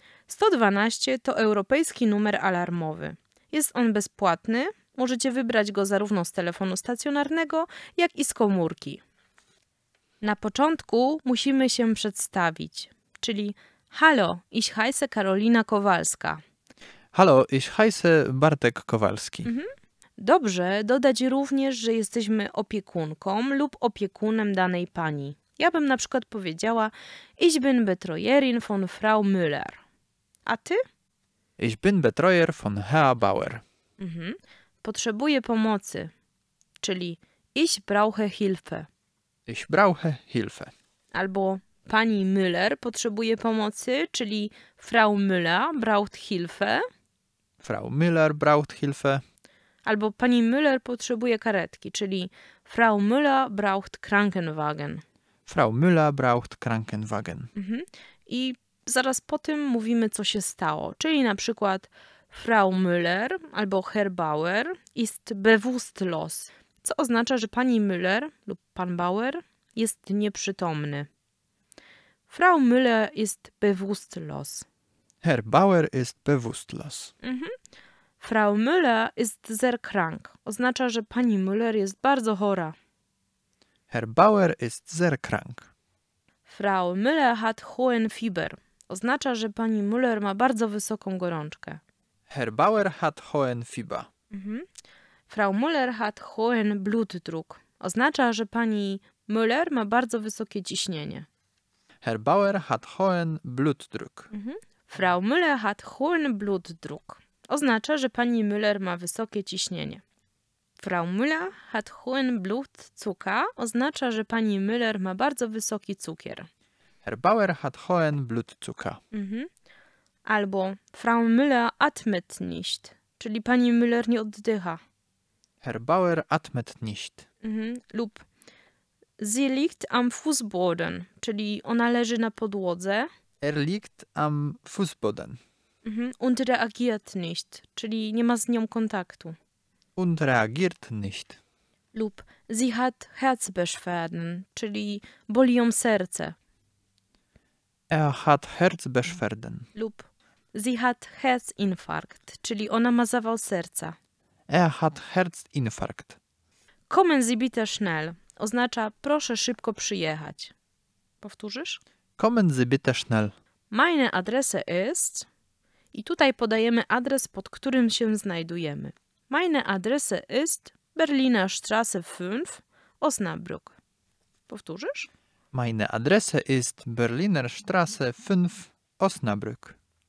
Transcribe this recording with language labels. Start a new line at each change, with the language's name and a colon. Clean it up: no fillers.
Polish: 112 to europejski numer alarmowy. Jest on bezpłatny, możecie wybrać go zarówno z telefonu stacjonarnego, jak i z komórki. Na początku musimy się przedstawić, czyli halo,
German: ich heiße
Polish: Karolina Kowalska.
German: Halo, ich heiße Bartek Kowalski.
Polish: Dobrze dodać również, że jesteśmy opiekunką lub opiekunem danej pani. Ja bym na przykład powiedziała,
German: ich bin Betreuerin von Frau Müller.
Polish: A ty?
German: Ich bin Betreuer von Herr Bauer.
Polish: Potrzebuję pomocy, czyli
German: ich brauche Hilfe. Ich brauche Hilfe.
Polish: Albo pani Müller potrzebuje pomocy, czyli
German: Frau Müller braucht Hilfe. Frau Müller braucht Hilfe.
Polish: Albo pani Müller potrzebuje karetki, czyli
German: Frau Müller braucht Krankenwagen. Frau Müller braucht Krankenwagen.
Polish: I zaraz po tym mówimy, co się stało. Czyli na przykład Frau Müller albo
German: Herr Bauer ist bewusstlos,
Polish: co oznacza, że pani Müller lub pan Bauer jest nieprzytomny.
German: Frau Müller ist bewusstlos. Herr Bauer ist bewusstlos. Frau Müller ist sehr krank.
Polish: Oznacza, że pani Müller jest bardzo chora.
German: Herr Bauer ist sehr krank. Frau Müller hat hohen Fieber.
Polish: Oznacza, że pani Müller ma bardzo wysoką gorączkę.
German: Herr Bauer hat hohen Fieber. Frau Müller hat hohen Blutdruck.
Polish: Oznacza, że pani Müller ma bardzo wysokie ciśnienie.
German: Herr Bauer hat hohen Blutdruck. Frau Müller hat hohen Blutdruck.
Polish: Oznacza, że pani Müller ma wysokie ciśnienie.
German: Frau Müller hat hohen Blutzucker.
Polish: Oznacza, że pani Müller ma bardzo wysoki cukier.
German: Herr Bauer hat hohen Blutzucker.
Polish: Albo
German: Frau Müller atmet nicht,
Polish: czyli pani Müller nie oddycha.
German: Herr Bauer atmet nicht.
Polish: Lub
German: sie liegt am Fußboden,
Polish: czyli ona leży na podłodze.
German: Er liegt am Fußboden. Und reagiert nicht,
Polish: czyli nie ma z nią kontaktu.
German: Und reagiert nicht.
Polish: Lub
German: sie hat Herzbeschwerden,
Polish: czyli boli ją serce.
German: Er hat Herzbeschwerden.
Polish: Lub
German: sie hat Herzinfarkt,
Polish: czyli ona ma zawał serca.
German: Er hat Herzinfarkt. Kommen Sie bitte schnell.
Polish: Oznacza proszę szybko przyjechać. Powtórzysz?
German: Kommen Sie bitte schnell. Meine Adresse ist...
Polish: I tutaj podajemy adres, pod którym się znajdujemy.
German: Meine Adresse ist Berliner Straße 5, Osnabrück.
Polish: Powtórzysz?
German: Meine Adresse ist Berliner Straße 5, Osnabrück.